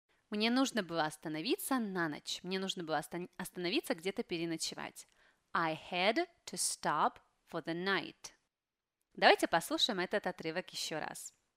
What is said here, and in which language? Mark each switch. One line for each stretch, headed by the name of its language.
Russian: Мне нужно было остановиться на ночь. Мне нужно было остановиться где-то переночевать.
English: I had to stop for the night.
Russian: Давайте послушаем этот отрывок еще раз.